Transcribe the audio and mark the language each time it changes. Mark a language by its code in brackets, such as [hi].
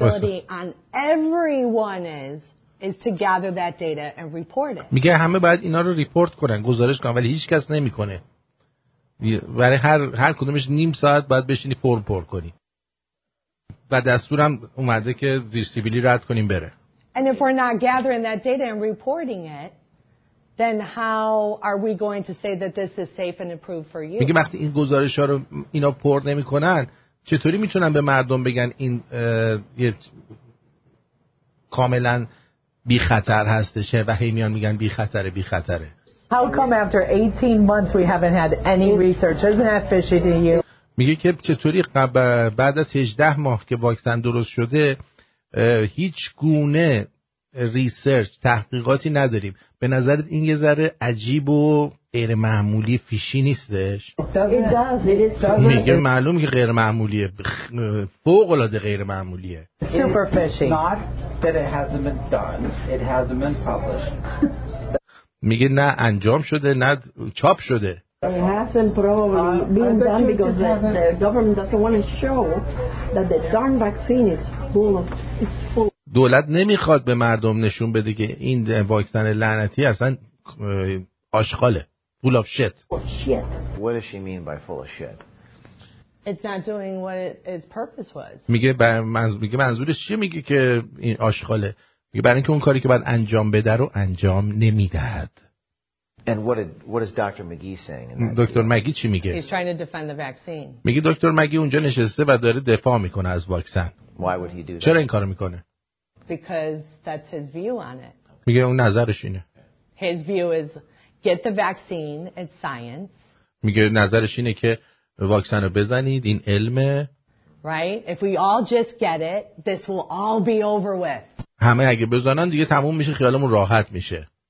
[en] The on everyone is to gather that data and report it. [fa] میگه همه باید اینا رو ریپورت کنن، گزارش کنن، ولی هیچ کس نمیکنه. برای هر کدومش نیم ساعت باید بشینی فرم پر کنی. و دستورم اومده که زیر سیبیلی رد کنیم بره. [en] And if we're not gathering that data and reporting it, then how are we going to say that this is safe and approved for you? [fa] میگه وقتی این گزارش ها رو اینا پر نمی کنن، چطوری میتونن به مردم بگن این یه کاملا بی خطر هستشه و هی میان میگن بی خطره بی خطره. [en] How come after 18 months we haven't had any research? Isn't that fishy to you? [fa] میگه که چطوری بعد از 18 ماه که واکسن درست شده هیچ گونه ریسرچ تحقیقاتی نداریم. به نظرت این یه ذره عجیب و غیر معمولی فیشی نیستش؟ میگه معلومه که غیر معمولیه، فوق العاده غیر معمولیه. [en] Super fishy. Not that it hasn't been done. It hasn't been published. [fa] میگه نه انجام شده نه چاپ شده. [en] It hasn't probably been done because the government doesn't want to show that the darn vaccine is full of [fa] دولت نمیخواد به مردم نشون بده که این واکسن لعنتی اصلا آشغاله. [en] Full of shit. What does she mean by full of shit? It's not doing what its purpose was. [fa] میگه منظورش چیه؟ میگه که این آشغاله. میگه برای اینکه اون کاری که باید انجام بده رو انجام نمیدهد. [en] And what is Dr. McGee saying? [fa] دکتر مگی چی میگه؟ [en] He's trying to defend the vaccine. [fa] میگه دکتر مگی اونجا نشسته و داره دفاع میکنه از واکسن. [en] Why would he do that? [fa] چرا این کارو میکنه؟ [en] Because that's his view on it. [fa] میگه اون نظرش اینه. [en] His view is get the vaccine, it's science. [fa] میگه نظرش اینه که واکسن رو بزنید، این علمه. [en] Right? If we all just get it, this will all be over with. [fa] همه اگه بزنن دیگه تموم میشه، خیالمون راحت میشه.